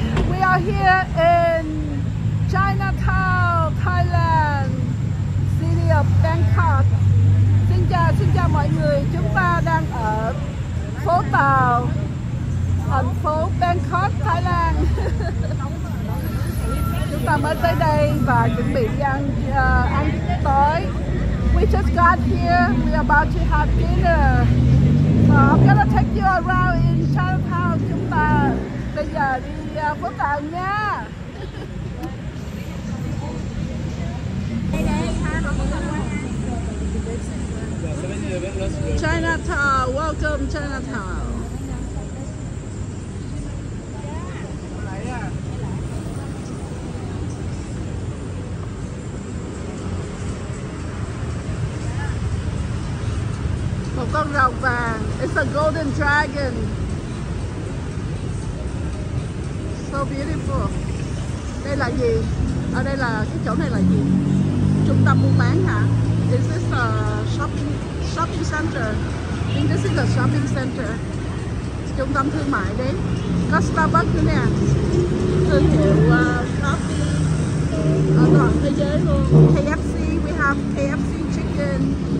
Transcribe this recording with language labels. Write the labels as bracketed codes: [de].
[en] We are here in Chinatown, Thailand, city of Bangkok. [vi] Xin chào mọi người. Chúng ta đang ở phố Tàu, thành phố Bangkok, Thái Lan. Chúng ta mới tới đây và chuẩn bị ăn ăn tối. [en] We just got here. We're about to have dinner. So I'm gonna take you around in Chinatown. [vi] Chúng ta bây giờ đi phố Tàu nha. [en] Chinatown, welcome Chinatown. [vi] Một con rồng vàng. [en] It's a golden dragon. So beautiful. [vi] Đây là gì? Ở đây là cái chỗ này là gì? Trung tâm buôn bán hả? [en] Is this a shopping center? I think this is a shopping center. [vi] Trung tâm thương mại đấy. Có Starbucks nữa nè. Thương hiệu coffee ở toàn thế giới luôn. [en] KFC, we have KFC chicken.